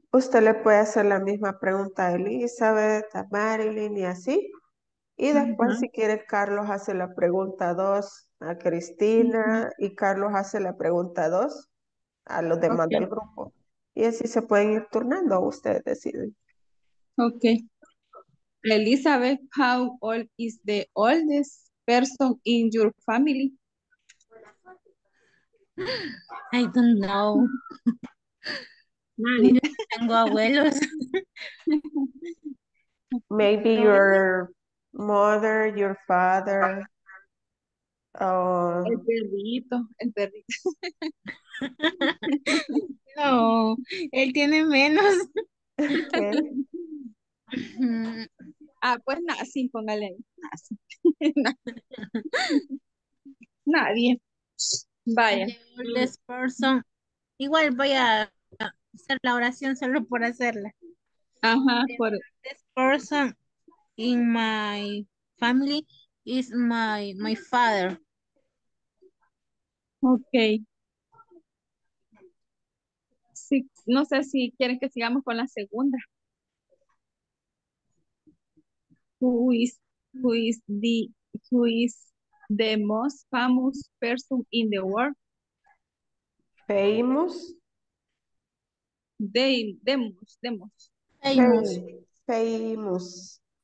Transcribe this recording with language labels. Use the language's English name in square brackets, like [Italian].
[Spanish] Usted le puede hacer la misma pregunta a Elizabeth, a Marilyn y así. Y después, si quiere, Carlos hace la pregunta 2 a Cristina y Carlos hace la pregunta 2 a los demás del grupo. Y así se pueden ir turnando, ustedes deciden. Ok. [English] Elizabeth, how old is the oldest person in your family? I don't know. [Spanish] No tengo abuelos. [English] Maybe your mother, your father. [Spanish] El perrito. No, él tiene menos. Okay. Ah, pues nada, sí, póngale. Nadie. Vaya. [English] This person. [Spanish] Igual voy a hacer la oración solo por hacerla. Ajá, por [English] this person in my family is my father. Okay. [Spanish] Sí, no sé si quieren que sigamos con la segunda. [English] Who is the most famous person in the world? Famous. Famous.